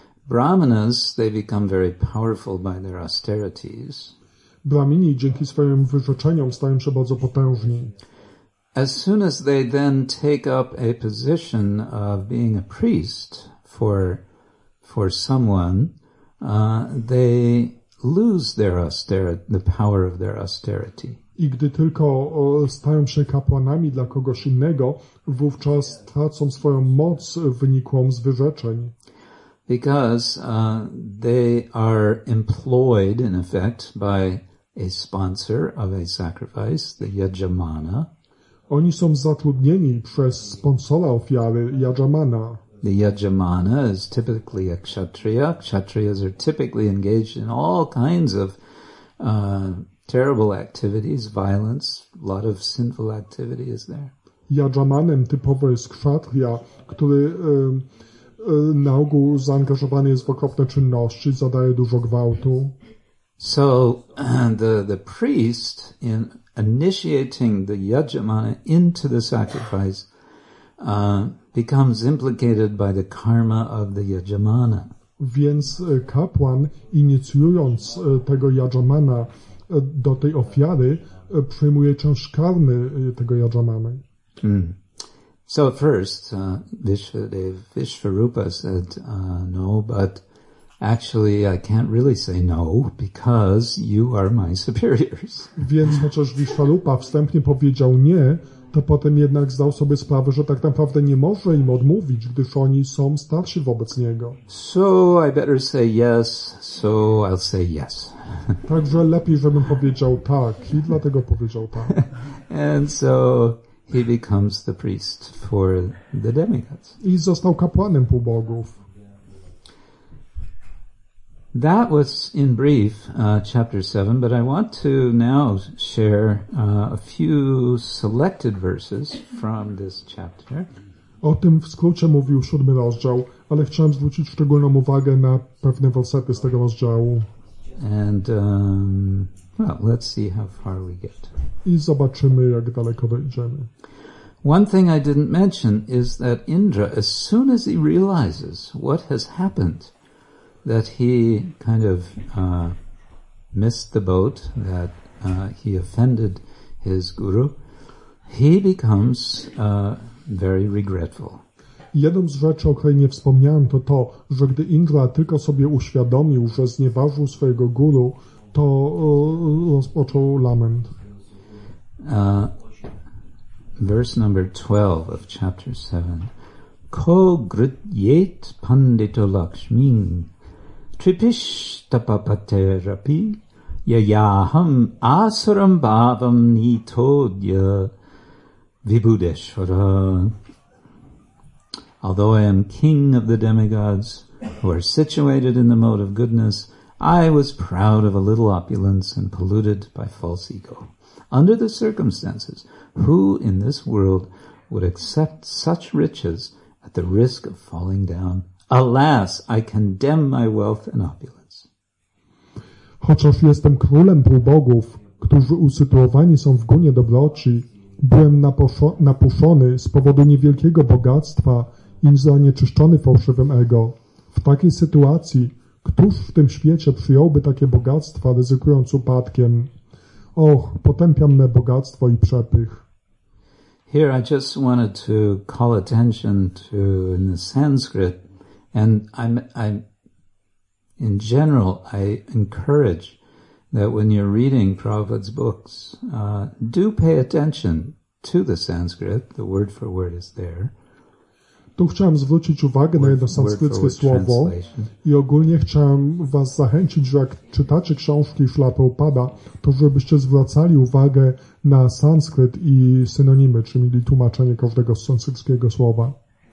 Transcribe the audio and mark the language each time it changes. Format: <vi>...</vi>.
<en>Brahmanas, they become very powerful by their austerities.</en> <pl>Brahmini dzięki swoim wyrzeczeniom stają się bardzo potężni.</pl> <en>As soon as they then take up a position of being a priest for someone, they lose their austerity, the power of their austerity.</en> <pl>I gdy tylko stają się kapłanami dla kogoś innego, wówczas tracą swoją moc wynikłą z wyrzeczeń.</pl> <en>Because they are employed, in effect, by a sponsor of a sacrifice, the yajamana.</en> <pl>Oni są zatrudnieni przez sponsora ofiary, yajamana.</pl> <en>The yajamana is typically a kshatriya. Kshatriyas are typically engaged in all kinds of terrible activities, violence, a lot of sinful activity is there.</en> <pl>Yajamanem typowo jest kshatriya, który na ogół zaangażowany jest w okropne czynności, zadaje dużo gwałtu.</pl> <en>So the priest, in initiating the yajamana into the sacrifice, becomes implicated by the karma of the yajamana.</en> <pl>Więc kapłan, inicjując tego yajamana do tej ofiary, przyjmuje część karmy tego yajamana. Mm.</pl> <en>So at first, Vishwarupa said no, but actually I can't really say no because you are my superiors.</en> <pl>Więc chociaż Vishwarupa wstępnie powiedział nie, to potem jednak zdał sobie sprawę, że tak naprawdę nie może im odmówić, gdyż oni są starsi wobec niego.</pl> <en>So I better say yes, so I'll say yes.</en> <pl>Także lepiej, żebym powiedział tak i dlatego powiedział tak.</pl> <en>And so he becomes the priest for the demigods.</en> <pl>I został kapłanem półbogów.</pl> <en>That was in brief chapter 7, but I want to now share a few selected verses from this chapter.</en> <pl>O tym w skrócie mówił siódmy rozdział, ale chciałem zwrócić szczególną uwagę na pewne wersety z tego rozdziału.</pl> <en>And let's see how far we get.</en> <pl>I zobaczymy, jak daleko dojdziemy.</pl> <en>One thing I didn't mention is that Indra, as soon as he realizes what has happened, that he kind of missed the boat, that he offended his guru, he becomes very regretful.</en> <pl>Jedną z rzeczy, o której nie wspomniałem, to to, że gdy Indra tylko sobie uświadomił, że znieważył swojego guru, to rozpoczął lament.</pl> <en>Verse number 12 of chapter 7.</en> <sa>Ko grityet pandito lakshmin tripishtapapaterapi yayaham asuram bhavam nitodya vibhudeshvara.</sa> <en>Although I am king of the demigods who are situated in the mode of goodness, I was proud of a little opulence and polluted by false ego. Under the circumstances, who in this world would accept such riches at the risk of falling down? Alas, I condemn my wealth and opulence.</en> <pl>Chociaż jestem królem półbogów, którzy usytuowani są w gunie dobroci, byłem napuszony z powodu niewielkiego bogactwa i zanieczyszczony fałszywym ego. W takiej sytuacji, któż w tym świecie przyjąłby takie bogactwa, ryzykując upadkiem? Och, potępiam me bogactwo i przepych.</pl> <en>Here I just wanted to call attention to, in the Sanskrit, and I'm in general, I encourage that when you're reading Prabhupada's books, do pay attention to the Sanskrit. The word for word is there.</en> <pl>Tu chciałem zwrócić uwagę na jedno sanskryckie słowo i ogólnie chciałem was zachęcić, że jak czytacie książki Śla Prabhupada, to żebyście zwracali uwagę na sanskryt i synonimy, czyli tłumaczenie każdego sanskryckiego słowa.</pl>